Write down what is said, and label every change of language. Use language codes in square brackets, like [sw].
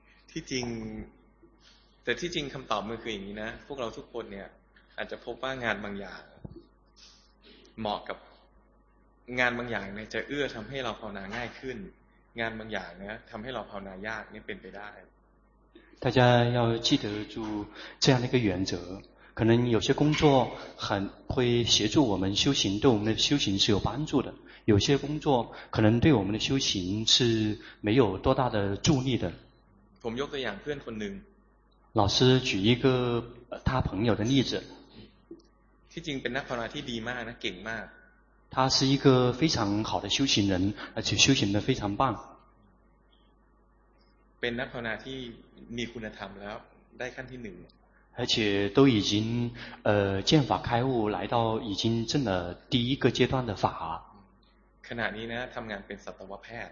[th] ที่จริงแต่ที่จริงคำตอบมันคืออย่างนี้นะพวกเราทุกคนเนี่ยอาจจะพบว่างานบางอย่างเหมาะกับงานบางอย่างเนี่ยจะเอื้อทำให้เราภาวนาง่ายขึ้นงานบางอย่างเนี่ยทำให้เราภาวนายากเนี่ยเป็นไปได้ [zh] 大家要记得住这样的一个原则可能有些工作很会协助我们修行对我们的修行是有帮助的有些工作可能对我们的修行是没有多大的助力的 [th] ผมยกตัวอย่างเพื่อนคนหนึ่ง [zh] 老师举一个他朋友的例子 [th] ที่จริงเป็นนักภาวนาที่ดีมากนะเก่งมาก [zh] 他是一个非常好的修行人而且修行的非常棒 [th] เป็นนักภาวนาที่มีคุณธรรมแล้วได้ขั้นที่หนึ่ง [zh] 而且都已经见法开悟来到已经证了第一个阶段的法 [th] ขณะนี้นะทำงานเป็นสัตวแพทย